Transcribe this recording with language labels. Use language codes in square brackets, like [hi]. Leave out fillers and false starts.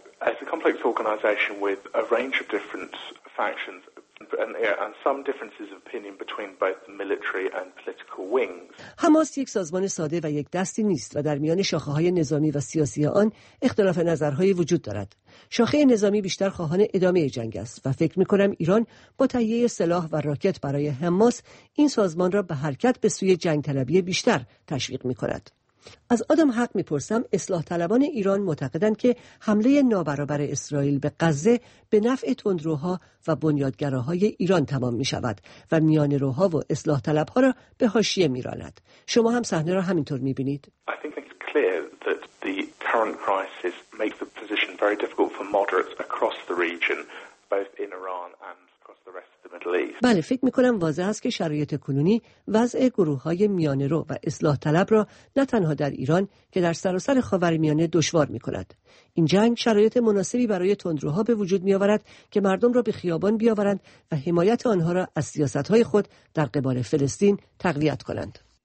[en] It's a complex organization with a range of different factions and some differences of opinion between both the military and political wings. [fa] حماس یک سازمان ساده و یک دستی نیست و در میان شاخه‌های نظامی و سیاسی آن اختلاف نظرهای وجود دارد. شاخه نظامی بیشتر خواهان ادامه جنگ است و فکر می‌کنم ایران با تهیه سلاح و راکت برای حماس این سازمان را به حرکت به سوی جنگ طلبی بیشتر تشویق می‌کند. از آدم حق میپرسم، اصلاح طلبان ایران معتقدند که حمله نابرابر اسرائیل به غزه به نفع تندروها و بنیادگراهای ایران تمام میشود و میان روها و اصلاح طلبها را به حاشیه میراند. شما هم صحنه را همینطور میبینید؟ [en] I think it's clear that the current crisis makes the position very difficult for moderates across the region, both in Iran and [fa] بله، فکر می‌کنم واضح است که شرایط کنونی وضع گروه‌های میانه‌رو و اصلاح طلب را نه تنها در ایران که در سراسر خاورمیانه دشوار می‌کند. این جنگ شرایط مناسبی برای تندروها به وجود می‌آورد که مردم را به خیابان بیاورند و حمایت آنها را از سیاست‌های خود در قبال فلسطین تقویت کنند.